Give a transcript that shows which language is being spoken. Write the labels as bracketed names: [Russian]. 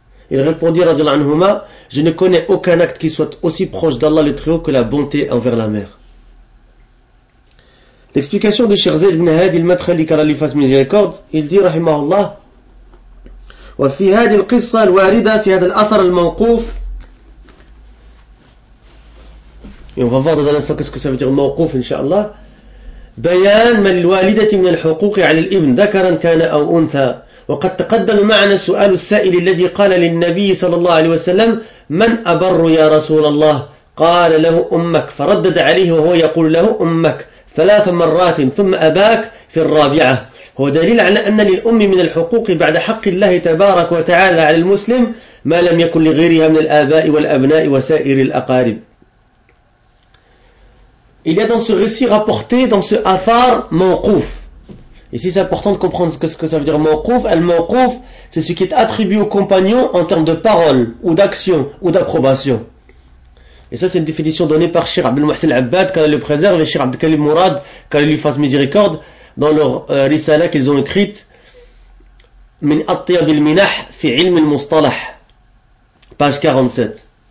[French] Il répondit, radiallahu anhuma, je ne connais aucun acte qui soit aussi proche d'Allah le Très-Haut que la bonté envers la mère. L'explication de Cheikh Zayd ibn Hadi al-Madkhali qu'Allah lui fasse miséricorde, il dit, rahimahullah, [Arabic] وفي هذه القصة الواردة في هذا الأثر الموقوف. ينفضل هذا السكس كسبة الموقوف إن شاء الله. بيان من الوالدة من الحقوق على الابن ذكرا كان أو أنثى. وقد تقدم معنا سؤال السائل الذي قال للنبي صلى الله عليه وسلم من أبر يا رسول الله؟ قال له أمك. فردد عليه وهو يقول له أمك ثلاث مرات ثم أباك في الرابعة. هو دليل على أن للأم من الحقوق بعد حق الله تبارك وتعالى على المسلم ما لم يكن لغيرها من الآباء والأبناء وسائر الأقارب. [French] Il y a dans ce récit rapporté dans ce athar mawquf. Ici c'est important de comprendre ce que ça veut dire mawquf. Al mawquf, c'est ce qui est attribué au compagnon en termes de parole ou d'action ou d'approbation. Et ça, c'est une définition donnée par Cheikh Abdel Mouhsin Abbad, qu'elle le préserve, et Cheikh Abdel Kalim Mourad, qu'elle lui fasse miséricorde, dans leur risala qu'ils ont écrite, Min At-Tiyab al-Minah fi Ilm al-Mustalah, page 47.